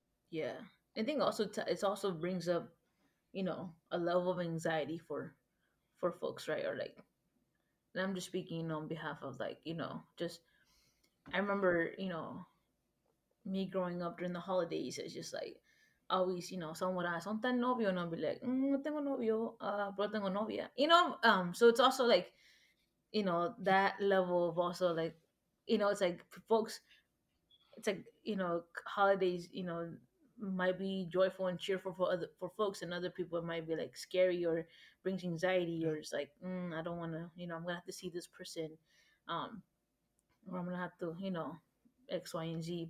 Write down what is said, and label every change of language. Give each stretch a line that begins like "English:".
English: Yeah, I think also it also brings up, you know, a level of anxiety for folks, right? Or like, and I'm just speaking on behalf of like, you know, just I remember, you know, me growing up during the holidays, it's just like. Always, you know, someone asks,
Spanish: "Son tan novio?"
English: And I'll be like,
Spanish: "No tengo novio, pero tengo novia."
English: You know, so it's also like, you know, that level of also like, you know, it's like for folks, it's like, you know, holidays, you know, might be joyful and cheerful for other, for folks, and other people it might be like scary or brings anxiety, or it's like, I don't want to, you know, I'm gonna have to see this person, or I'm gonna have to, you know, X, Y, and Z.